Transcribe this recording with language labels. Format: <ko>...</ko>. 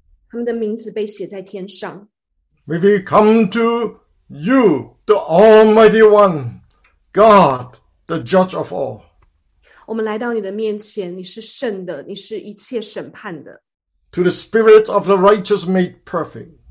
<zh>他们的名字被写在天上。</zh> <en>May we come to you, the Almighty One, God, the Judge of all.</en> <zh>我们来到你的面前, 你是圣的, 你是一切审判的。</zh> <en>To the Spirit of the righteous made perfect.</en>